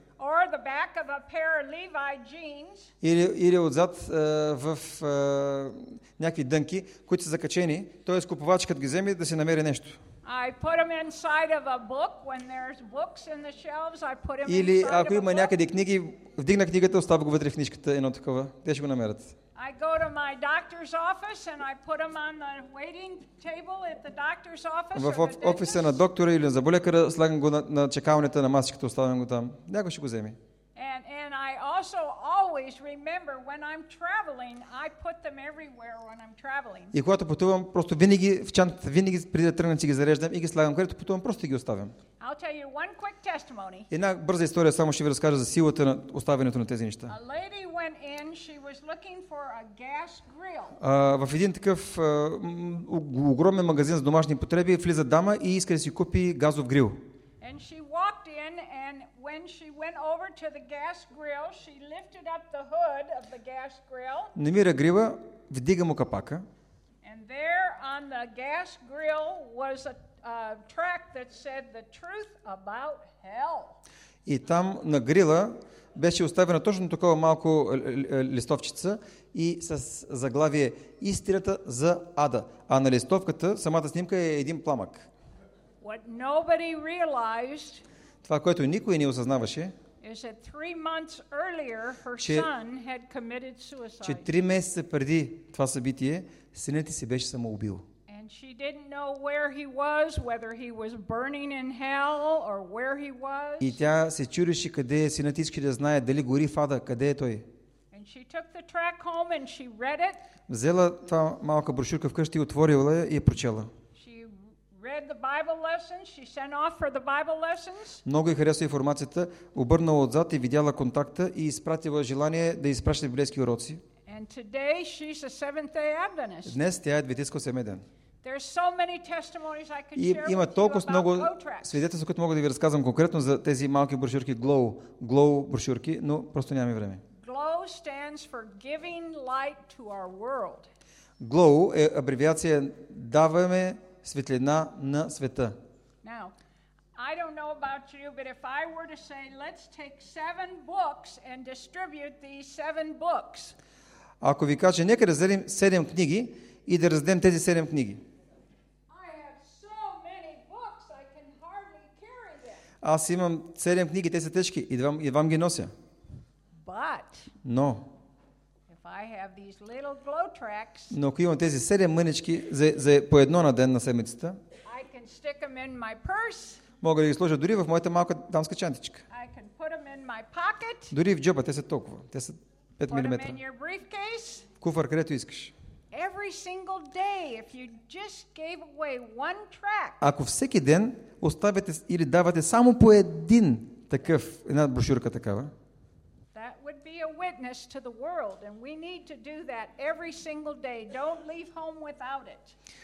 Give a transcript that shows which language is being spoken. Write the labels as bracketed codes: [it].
[en] Or the back of a pair of Levi jeans. [bg] Или отзад в някакви дънки, които са закачени, т.е. купувачкът ги вземе да се намери нещо. [en] I put them inside of a book when there's books in the shelves. I put them. [bg] Или ако има някъде книги, вдигна книгата, оставя го вътре в книжката, едно такова. Те ще го намерят. [en] I go to my doctor's office and I put them on the waiting table at the doctor's office. [bg] В офиса на доктора или на зъболекаря слагам го на чакалнята на масичката, оставям го там. Някой ще го вземе. [en] And I also always remember when I'm traveling, I put them everywhere when I'm traveling. [bg] И когато пътувам, просто винаги в чантата, винаги преди да тръгна, си ги зареждам и ги слагам, където пътувам, просто ги оставям. [en] I'll tell you one quick testimony. [bg] Една бърза история само ще ви разкажа за силата на оставянето на тези неща. [en] A lady went in, she was looking for a gas grill. [bg] В един такъв огромен магазин за домашни потреби влиза дама и иска да си купи газов грил. [en] And she walked in and when she went over to the gas grill, she lifted up the hood of the gas grill. [bg] Намира грила, вдига му капака. [en] And there on the gas grill was a track that said the truth about hell. [bg] И там на грила беше оставена точно такова малко листовчица и с заглавие Истината за ада. А на листовката самата снимка е един пламък. [en] What nobody realized. [bg] Това, което никой не осъзнаваше, [en] is that 3 months earlier her son had committed suicide. [bg] Че 3 месеца преди това събитие синът ѝ се беше самоубил. [en] And she didn't know where he was, whether he was burning in hell or where he was. [bg] И тя се чудеше къде е синът, искаше да знае дали гори в ада, къде е той. [en] And she took the track home and she read it. [bg] Взела това малка брошурка вкъщи, отворила я и прочела. [en] Read the Bible lessons. She sent off for the Bible lessons. [bg] Много ѝ хареса информацията, обърнала отзад и видяла контакта и изпратила желание да изпраща библейски уроци. [en] And today she's a Seventh-day Adventist. [bg] Днес тя е адвентистка от седмия ден. [en] There's so many testimonies I can share. [bg] Има толкова много свидетелства, които мога да ви разказвам конкретно за тези малки брошурки Glow брошурки, но просто нямаме време. [en] Glow stands for giving light to our world. [bg] Glow е абревиация даваме светлина на света. [en] Now, I don't know about you, but if I were to say, let's take 7 books and distribute these 7 books. [bg] Ако ви кажа, нека разделим 7 книги и да раздадем тези 7 книги. [en] I have so many books, I can hardly carry them. [bg] Аз имам 7 книги, те са тежки и вам ги нося. [en] But, [bg] но, [en] I have these little glow tracks. [bg] Но ако имам тези 7 мънички за по едно на ден на седмицата, [en] I can stick them in my purse. [bg] Мога да ги сложа дори в моята малка дамска чантичка. [en] I can put them in my pocket. [bg] Дори в джоба, те са толкова. Те са 5 [en] мм. Put them in your briefcase. [bg] Куфар, където искаш. [en] every single day if you just gave away one track. [bg] Ако всеки ден оставяте или давате само по един такъв, една брошурка такава. [en] That would be a witness to the world and we need to do that every single day. Don't leave home without it.